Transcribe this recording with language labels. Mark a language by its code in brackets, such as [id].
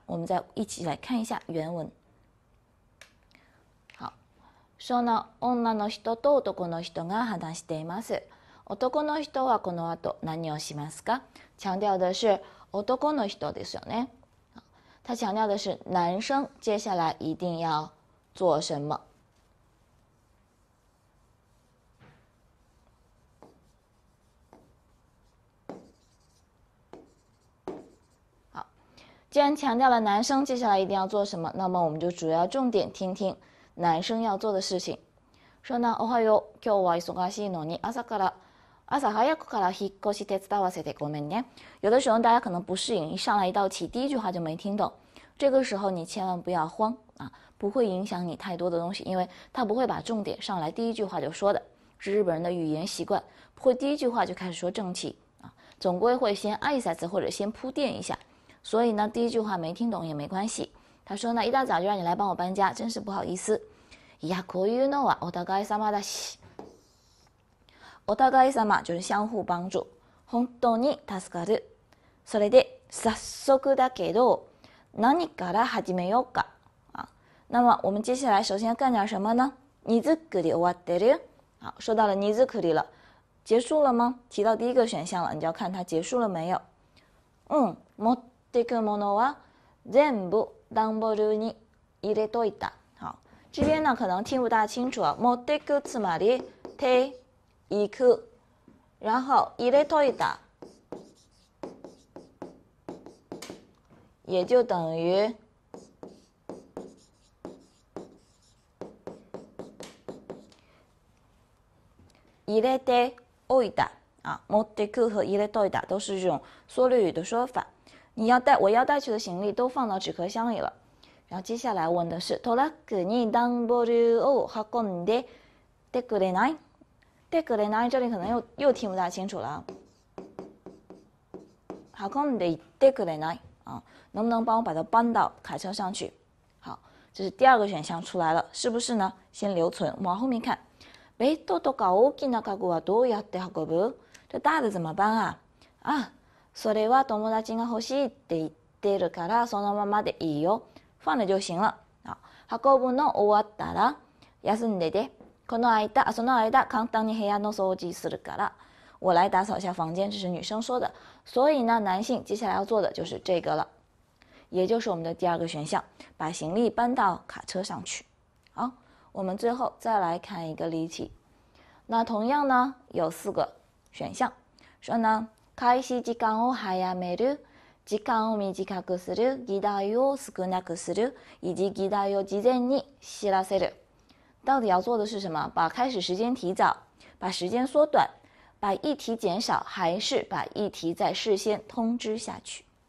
[zh] 我们再一起来看一下原文。好， [ja] その女の人と男の人が話しています。男の人はこの後何をしますか？ [zh] 强调的是 [ja] 男の人ですよね。 [zh] 他强调的是男生接下来一定要做什么。好，既然强调了男生接下来一定要做什么，那么我们就主要重点听听男生要做的事情。说呢， [ja] おはよう。今日は忙しいのに朝から。朝早くから引っ越し手伝わせてごめんね。 [zh] 有的时候大家可能不适应，一上来一道题，第一句话就没听懂。这个时候你千万不要慌啊，不会影响你太多的东西，因为他不会把重点上来第一句话就说的，是日本人的语言习惯，不会第一句话就开始说正题啊，总归会先挨一下子或者先铺垫一下。所以呢，第一句话没听懂也没关系。他说呢，一大早就让你来帮我搬家，真是不好意思。 [ja] いやこういうのはお互い様だし。お互い様 [zh] 就是相互帮助。 [ja] 本当に助かる。それで早速だけど何から始めようか。 [zh] 那么我们接下来首先要干点什么呢？ [ja] 荷造り終わってる。 [zh] 好，说到了 [ja] 荷造り [zh] 了，结束了吗？提到第一个选项了，你就要看它结束了没有。 [ja] 嗯，持ってくものは全部段ボールに入れといた。 [zh] 好，这边呢可能听不大清楚啊。 [ja] 持ってく [zh] つまり [ja] 行く， [zh] 然后 [ja] 入れといた， [zh] 也就等于 [ja] 入れておいた [zh] 啊。 [ja] 持ってく [zh] 和 [ja] 入れといた [zh] 都是这种缩略语的说法。你要带我要带去的行李都放到纸壳箱里了。然后接下来问的是 [ja] トラックに段ボールを運んでてくれない？でくれない [zh] 这里可能又听不大清楚了。 [ja] 運んでいってくれない [zh] 啊，能不能帮我把它搬到卡车上去？好，这是第二个选项出来了，是不是呢？先留存，我们往后面看。 [ja] ベッドとか大きな家具はどうやって運ぶ？ [zh] 这大的怎么搬啊？ [ja] 啊，それは友達が欲しいって言ってるからそのままでいいよ， [zh] 放着就行了。 [ja] 好，運ぶの終わったら休んでて。この間、その間、簡単に部屋の掃除するから、 [zh] 我来打扫一下房间，这是女生说的。所以呢，男性接下来要做的就是这个了，也就是我们的第二个选项，把行李搬到卡车上去。好，我们最后再来看一个例题。那同样呢，有四个选项，说呢， [ja] 開始時間を早める、時間を短くする、議題を少なくする、 [zh] 以及 [ja] 議題を事前に知らせる。 [zh] 到底要做的是什么？把开始时间提早，把时间缩短，把议题减少，还是把议题在事先通知下去？